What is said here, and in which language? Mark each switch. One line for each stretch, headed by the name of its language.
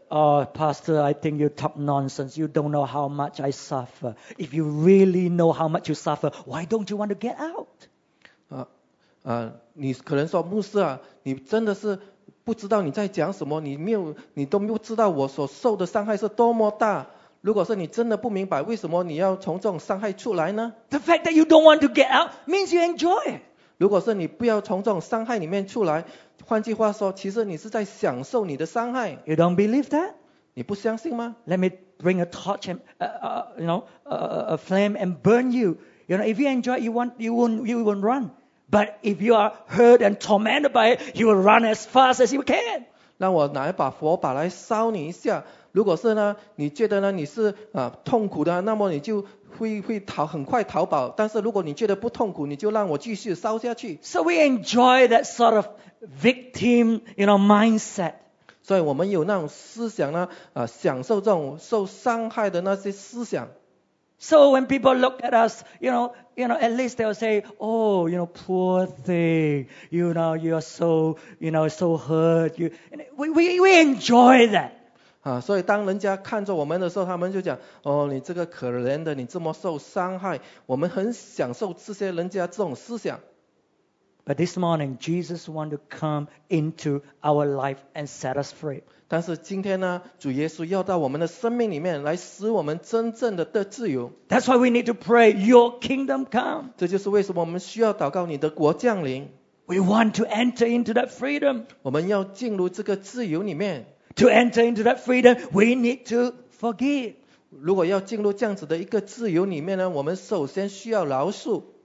English: Oh, Pastor, I think you talk nonsense. You don't know how much I suffer. If you really know how much you suffer, why don't you want to get out?
Chinese: 你可能说牧师啊，你真的是不知道你在讲什么，你没有，你都不知道我所受的伤害是多么大。如果是你真的不明白为什么你要从这种伤害出来呢？
English: The fact that you don't want to get out means you enjoy it.
Chinese: 如果是你不要从这种伤害里面出来，换句话说，其实你是在享受你的伤害。
English: You don't believe that?
Chinese: 你不相信吗？
English: Let me bring a torch and a flame and burn you. You know, if you enjoy, you won't run. But if you are hurt and tormented by it, you will run as fast as you can.
Chinese: 让我拿一把火把来烧你一下。如果是呢，你觉得呢你是痛苦的，那么你就会逃，很快逃跑。但是如果你觉得不痛苦，你就让我继续烧下去。
English: So we enjoy that sort of victim, mindset.
Chinese: 所以我们有那种思想呢，享受这种受伤害的那些思想。
English: So when people look at us, you know, at least they'll say, oh, poor thing, you're so hurt. We enjoy that.
Chinese: 所以当人家看着我们的时候，他们就讲，哦，你这个可怜的，你这么受伤害，我们很享受这些人家这种思想。
English: But this morning, Jesus wants to come into our life and set us free.
Chinese: 但是今天呢，主耶稣要到我们的生命里面来，使我们真正的得自由。
English: That's why we need to pray, Your kingdom come.
Chinese: 这就是为什么我们需要祷告你的国降临。
English: We want to enter into that freedom.
Chinese: 我们要进入这个自由里面。
English: To enter into that freedom, we need to forgive.
Chinese: 如果要进入这样子的一个自由里面呢，我们首先需要饶恕。